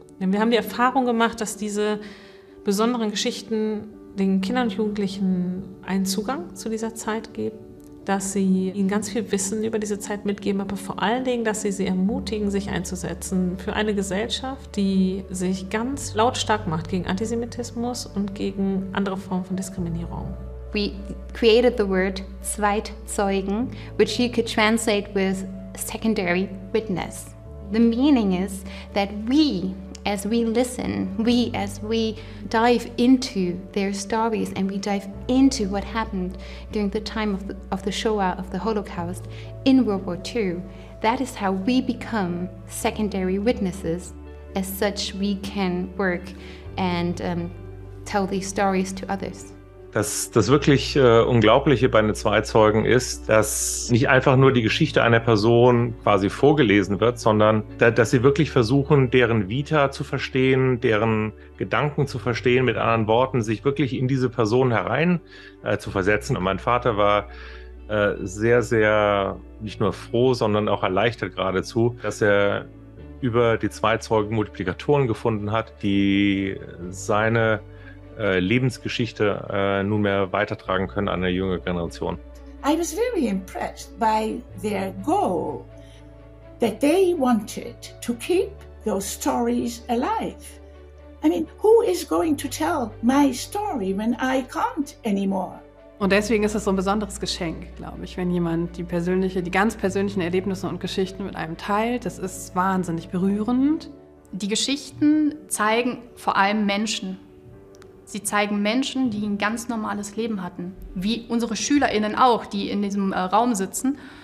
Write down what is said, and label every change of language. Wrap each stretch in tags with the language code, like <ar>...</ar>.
<de>Denn wir haben die Erfahrung gemacht, dass diese besonderen Geschichten den Kindern und Jugendlichen einen Zugang zu dieser Zeit geben, dass sie ihnen ganz viel Wissen über diese Zeit mitgeben, aber vor allen Dingen, dass sie ermutigen, sich einzusetzen für eine Gesellschaft, die sich ganz lautstark macht gegen Antisemitismus und gegen andere Formen von Diskriminierung.</de> <en>We created the word Zweitzeugen, which you could translate with secondary witness. The meaning is that we, as we listen, we, as we dive into their stories and we dive into what happened during the time of the Shoah, of the Holocaust in World War II, that is how we become secondary witnesses. As such, we can work and tell these stories to others.</en> <de>Das wirklich Unglaubliche bei den Zweizeugen ist, dass nicht einfach nur die Geschichte einer Person quasi vorgelesen wird, sondern dass sie wirklich versuchen, deren Vita zu verstehen, deren Gedanken zu verstehen, mit anderen Worten, sich wirklich in diese Person herein zu versetzen. Und mein Vater war sehr, sehr nicht nur froh, sondern auch erleichtert geradezu, dass er über die Zweizeugen Multiplikatoren gefunden hat, die seine Lebensgeschichte nunmehr weitertragen können an eine junge Generation.</de> <en>I was very impressed by their goal that they wanted to keep those stories alive. I mean, who is going to tell my story when I can't anymore?</en> <de>Und deswegen ist es so ein besonderes Geschenk, glaube ich, wenn jemand die ganz persönlichen Erlebnisse und Geschichten mit einem teilt. Das ist wahnsinnig berührend. Die Geschichten zeigen vor allem Menschen. Sie zeigen Menschen, die ein ganz normales Leben hatten, wie unsere SchülerInnen auch, die in diesem Raum sitzen.</de>